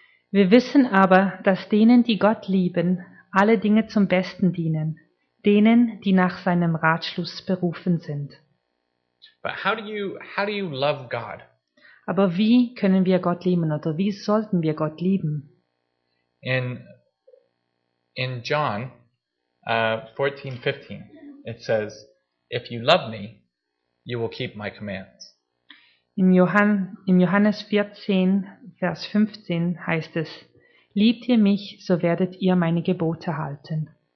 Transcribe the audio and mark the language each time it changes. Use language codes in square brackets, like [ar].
[de] Wir wissen aber, dass denen, die Gott lieben, alle Dinge zum Besten dienen, denen, die nach seinem Ratschluss berufen sind. [en] But how do you love God? [de] Aber wie können wir Gott lieben oder wie sollten wir Gott lieben? [en] In John 14:15 it says, if you love me, you will keep my commands. [de] Im Johannes 14, Vers 15 heißt es, liebt ihr mich, so werdet ihr meine Gebote halten.